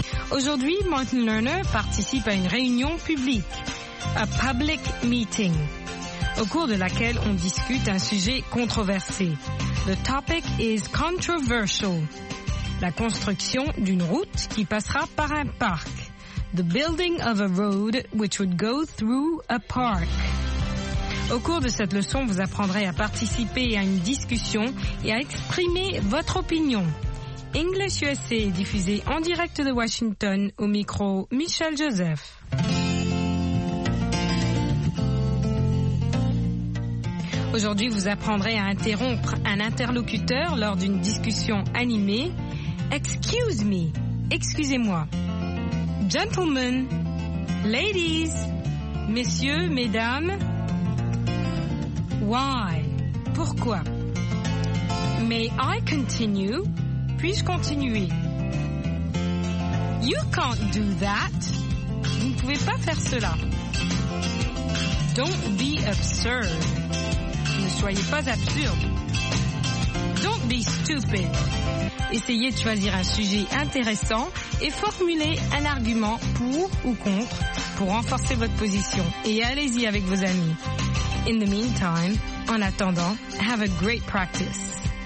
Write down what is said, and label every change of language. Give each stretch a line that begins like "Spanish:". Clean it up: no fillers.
French: Aujourd'hui, Martin Lerner participe à une réunion publique,
English: a public meeting,
French: au cours de laquelle on discute un sujet controversé.
English: The topic is controversial.
French: La construction d'une route qui passera par un parc.
English: The building of a road which would go through a park.
French: Au cours de cette leçon, vous apprendrez à participer à une discussion et à exprimer votre opinion. English USA est diffusé en direct de Washington au micro Michel Joseph. Aujourd'hui, vous apprendrez à interrompre un interlocuteur lors d'une discussion animée.
English: Excuse me,
French: excusez-moi.
English: Gentlemen, ladies,
French: messieurs, mesdames.
English: Why?
French: Pourquoi?
English: May I continue?
French: Puis-je continuer?
English: You can't do that.
French: Vous ne pouvez pas faire cela.
English: Don't be absurd.
French: Ne soyez pas absurde.
English: Don't be stupid.
French: Essayez de choisir un sujet intéressant et formulez un argument pour ou contre pour renforcer votre position. Et allez-y avec vos amis.
English: In the meantime,
French: en attendant,
English: have a great practice.